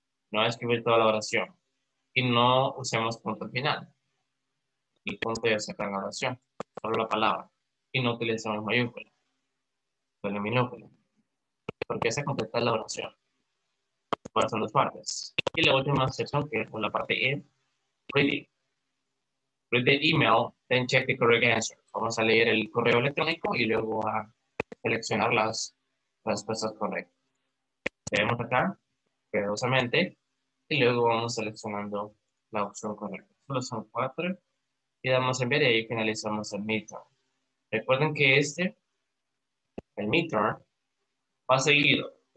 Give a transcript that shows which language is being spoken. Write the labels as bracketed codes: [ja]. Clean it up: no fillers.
[es] No escribir toda la oración y no usemos punto final. El punto ya saca la oración, solo la palabra, y no utilizamos mayúscula, solo minúscula, porque se completa la oración. Ahora son 2 partes. Y la última sección, que es con la parte E, reading. [en] Read the email, then check the correct answer. [es] Vamos a leer el correo electrónico y luego a seleccionar las respuestas correctas. Leemos acá, cuidadosamente, y luego vamos seleccionando la opción correcta. Solo son 4. Y damos en ver y ahí finalizamos el midterm. Recuerden que este, el midterm, va seguido.